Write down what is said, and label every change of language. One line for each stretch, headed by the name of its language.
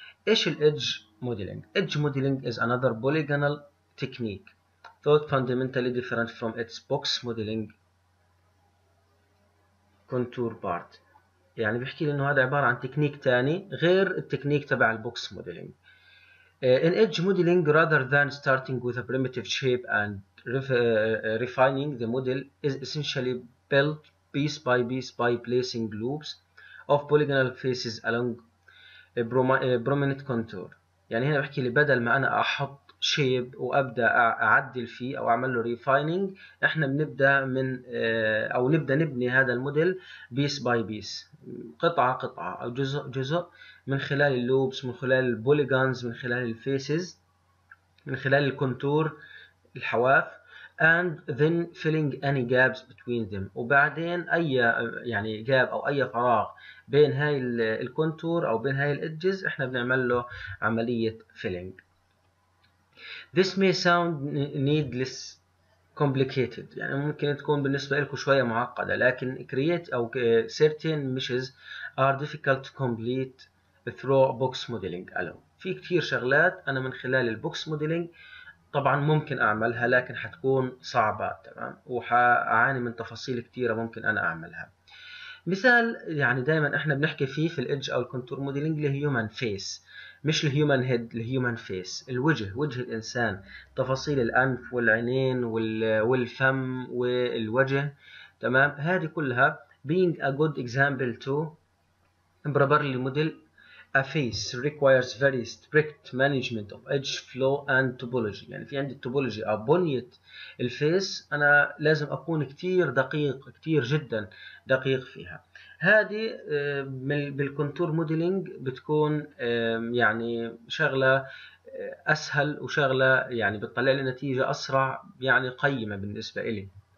Arabic: ايش ال
English: edge modeling؟ Edge modeling is another polygonal technique thought fundamentally different from its box modeling contour part.
Arabic: يعني بيحكي لي انه هذا عبارة عن تكنيك تاني غير التكنيك تبع البوكس موديلينج.
English: In edge modeling rather than starting with a primitive shape and refining the model is essentially built piece by piece by placing loops of polygonal faces along a prominent contour.
Arabic: يعني هنا بحكي لي بدل ما انا احط shape وابدأ اعدل فيه او اعمل له refining، احنا بنبدأ من او نبدأ نبني هذا الموديل
English: piece by piece،
Arabic: قطعة قطعة أو جزء جزء، من خلال اللوبس، من خلال البوليغانز، من خلال الفيسز، من خلال الكونتور الحواف،
English: and then filling any gaps between them.
Arabic: وبعدين أي يعني جاب أو أي فراغ بين هاي الكونتور أو بين هاي الإدجز إحنا بنعمل له عملية filling.
English: This may sound needless complicated،
Arabic: يعني ممكن تكون بالنسبة لكم شوية معقدة،
English: لكن create أو certain meshes are difficult to complete through box modeling alone.
Arabic: في كتير شغلات أنا من خلال البوكس modeling طبعا ممكن أعملها لكن حتكون صعبة، تمام، وحأعاني من تفاصيل كتيرة ممكن أنا أعملها. مثال يعني دائما إحنا بنحكي فيه في الإدج أو الكونتور موديلينج لهيومن فيس، مش الهيومن هيد، الهيومن فيس، الوجه، وجه الإنسان، تفاصيل الأنف والعينين والفم والوجه، تمام. هذه كلها
English: being a good example to properly model a face requires very strict management of edge flow and topology.
Arabic: يعني في عندي topology أو بنية الفيس أنا لازم أكون كتير دقيق، كتير جدا دقيق فيها. هذه بالكونتور موديلينج بتكون يعني شغلة أسهل وشغلة يعني بتطلع لي نتيجة أسرع، يعني قيمة بالنسبة إلي.